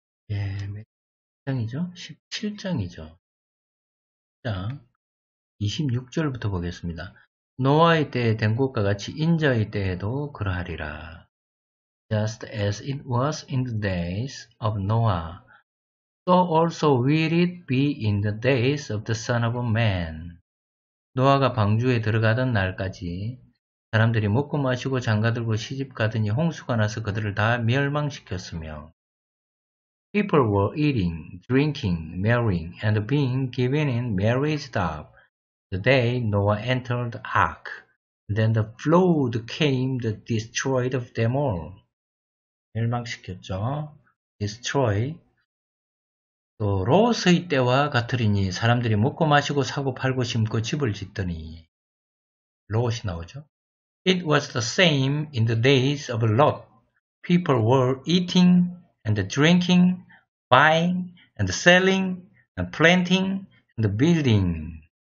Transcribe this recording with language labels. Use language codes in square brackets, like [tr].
[ko] 예, 몇 장이죠? 17장이죠. 장 26절부터 보겠습니다. 노아의 때에 된 것과 같이 인자의 때에도 그러하리라. [en] Just as it was in the days of Noah, so also will it be in the days of the Son of Man. [ko] 노아가 방주에 들어가던 날까지 사람들이 먹고 마시고 장가들고 시집 가더니 홍수가 나서 그들을 다 멸망시켰으며 [en] People were eating, drinking, marrying, and being given in marriage dowry. The day Noah entered the ark, then the flood came that destroyed of them all. [ko] 멸망시켰죠. Destroy. 또 롯의 때와 같으리니 사람들이 먹고 마시고 사고 팔고 심고 집을 짓더니 롯이 나오죠. [en] It was the same in the days of Lot. People were eating and drinking, buying and selling and planting and building.